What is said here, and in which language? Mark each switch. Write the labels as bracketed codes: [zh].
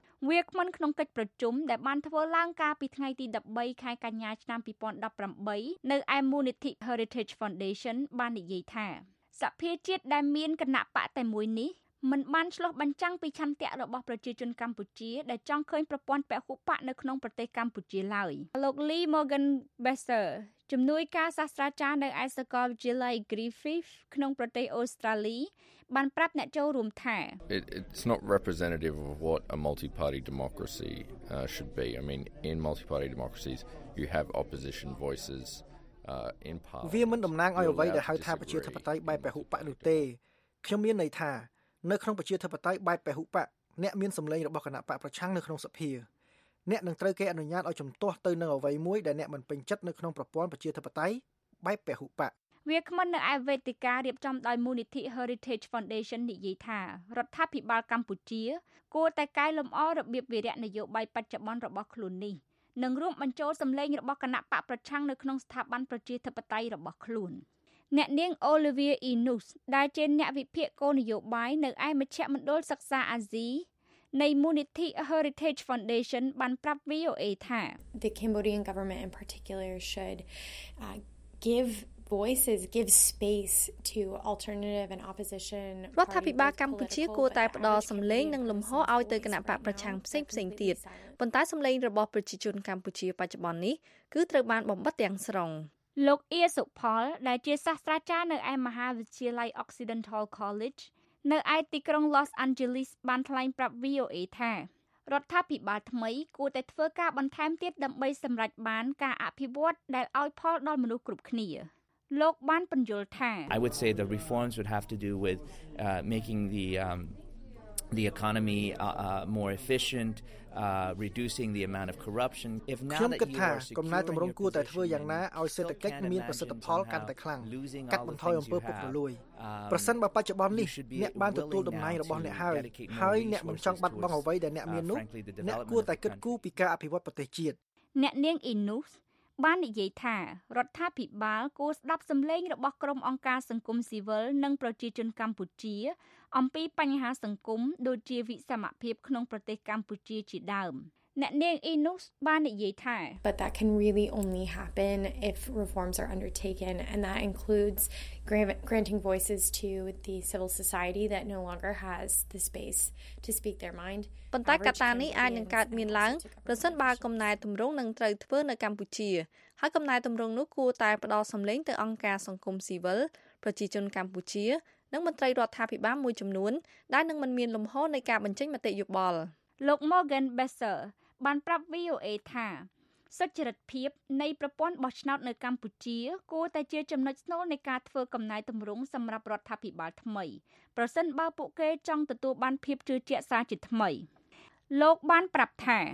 [km] វាគ្មិនក្នុងកិច្ចប្រជុំដែលបានធ្វើឡើងកាលពីថ្ងៃទី13ខែកញ្ញាឆ្នាំ2018នៅឯមូលនិធិ Heritage Foundation បាននិយាយថាសភាជាតិដែលមានគណៈបកតែមួយនេះមិនបានឆ្លោះបញ្ចាំងពីឆន្ទៈរបស់ប្រជាជនកម្ពុជាដែលចង់ឃើញប្រព័ន្ធពហុបកនៅក្នុងប្រទេសកម្ពុជាឡើយលោក Lee Morgan Besser ជំនួយការសាស្ត្រាចារ្យនៅឯសាកលវិទ្យាល័យ Griffith ក្នុងប្រទេសអូស្ត្រាលីបានប្រាប់អ្នកចូលរួមថា [en] It's not representative of what a multi-party democracy should be. I mean in multi-party democracies you have opposition voices in part [km] វាមិនតំណាងឲ្យអ្វីដែលហៅថាប្រជាធិបតេយ្យបែបពហុបកនោះទេខ្ញុំមានន័យថានៅក្នុងប្រជាធិបតេយ្យបែបពហុបកអ្នកមានសំឡេងរបស់គណៈបកប្រឆាំងនៅក្នុងសភាអ្នកនឹងត្រូវគេអនុញ្ញាតឲ្យជំទាស់ទៅនឹងអ្វីមួយដែលអ្នកមិនពេញចិត្តនៅក្នុងប្រព័ន្ធប្រជាធិបតេយ្យបែបពហុបក វាគ្មិននៅឯវេទិការៀបចំដោយមូលនិធិ Heritage Foundation និយាយថារដ្ឋាភិបាលកម្ពុជាគួរតែកែលម្អរបៀបវារៈនយោបាយបច្ចុប្បន្នរបស់ខ្លួននេះនិងរួមបញ្ចូលសំឡេងរបស់គណៈបកប្រឆាំងនៅក្នុងស្ថាប័នប្រជាធិបតេយ្យរបស់ខ្លួនអ្នកនាង Olivia Inus ដែលជាអ្នកវិភាគគោលនយោបាយនៅឯមជ្ឈមណ្ឌលសិក្សាអាស៊ីនៃមូលនិធិ Heritage Foundation បានប្រាប់ VOA ថា [en] The Cambodian government in particular should give voices, give space to alternative and opposition [km] រដ្ឋាភិបាលកម្ពុជាគួរតែផ្ដល់សំឡេងនិងលំហឲ្យទៅគណៈបកប្រឆាំងផ្សេងៗទៀតប៉ុន្តែសំឡេងរបស់ប្រជាជនកម្ពុជាបច្ចុប្បន្ននេះគឺត្រូវបានបំបាត់ទាំងស្រុង លោកអៀសុផលដែលជាសាស្ត្រាចារ្យនៅឯមហាវិទ្យាល័យ Occidental College នៅឯទីក្រុង Los Angeles បានថ្លែងប្រាប់ VOA ថារដ្ឋាភិបាលថ្មីគួរតែធ្វើការបន្ថែមទៀតដើម្បីសម្រេចបានការអភិវឌ្ឍដែលឲ្យផលដល់មនុស្សគ្រប់គ្នាលោកបានបញ្យល់ថា [en] I would say the reforms would have to do with making the economy more efficient reducing the amount of corruption if now that you are secure [km] កំណែតម្រង់គួរតែធ្វើយ៉ាងណាឲ្យសេដ្ឋកិច្ចមានប្រសិទ្ធផលកាន់តែខ្លាំងកាត់បន្ថយអំពើពុករលួយប្រសិនបើបច្ចុប្បន្ននេះអ្នកបានទទួលដំណែងរបស់អ្នកហើយហើយអ្នកមិនចង់បាត់បង់អ្វីដែលអ្នកមាននោះអ្នកគួរតែគិតគូរពីការអភិវឌ្ឍប្រទេសជាតិ អ្នកនាងអ៊ីនូសបាននិយាយថារដ្ឋាភិបាលគួរស្ដាប់សំឡេងរបស់ក្រុមអង្គការសង្គមស៊ីវិលនិងប្រជាជនកម្ពុជាអំពីបញ្ហាសង្គមដូចជាវិសមភាពក្នុងប្រទេសកម្ពុជាជាដើមអ្នកនាងអ៊ីនូសបាននិយាយថា [en] But that can really only happen if reforms are undertaken and that includes granting voices to the civil society that no longer has the space to speak their mind [km] ប៉ុន្តែកត្តានេះអាចនឹងកើតមានឡើងប្រសិនបើគណនាយទម្រង់នឹងត្រូវធ្វើនៅកម្ពុជាហើយគណនាយទម្រង់នោះគួរតែផ្ដល់សំឡេងទៅអង្គការសង្គមស៊ីវិលប្រជាជនកម្ពុជានិងមន្ត្រីរដ្ឋាភិបាលមួយចំនួនដែលនឹងមិនមានលំហនៃការបញ្ចេញមតិយោបល់លោក Morgan Besser បានប្រាប់ VOA ថាសុចរិតភាពនៃប្រព័ន្ធបោះឆ្នោតនៅកម្ពុជាគួរតែជាចំណុចស្នូលនៃការធ្វើកំណែទម្រង់សម្រាប់រដ្ឋាភិបាលថ្មីប្រសិនបើពួកគេចង់ទទួលបានភាពជឿជាក់សារជាថ្មីលោកបានប្រាប់ថា